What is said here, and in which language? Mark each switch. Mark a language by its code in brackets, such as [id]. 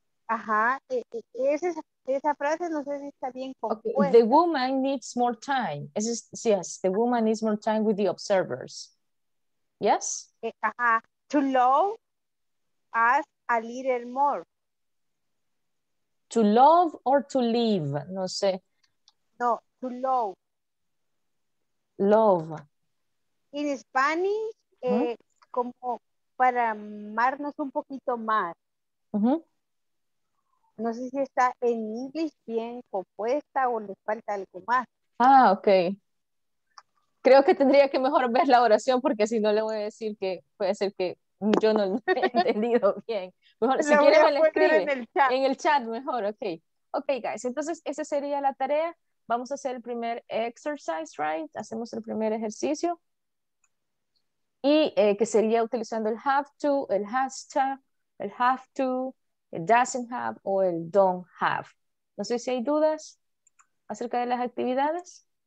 [es] Ajá, esa frase no sé si está bien compuesta. [en] Okay. The woman needs more time. Yes, the woman needs more time with the observers. Yes? Ajá, to love us a little more. To love or to live, [es] no sé. [en] No, to love. Love. In Spanish, [es] como... para amarnos un poquito más. Uh-huh. No sé si está en inglés bien compuesta o le falta algo más. Ah, ok. Creo que tendría que mejor ver la oración porque si no le voy a decir que puede ser que yo no lo he entendido bien. Mejor, si quieres me la escribe. En el chat mejor, ok. [en] Ok, guys, [es] entonces esa sería la tarea. Vamos a hacer el primer exercise, right? Hacemos el primer ejercicio. Y que sería utilizando el have to, el has to, el have to, el doesn't have o el don't have. No sé si hay dudas acerca de las actividades.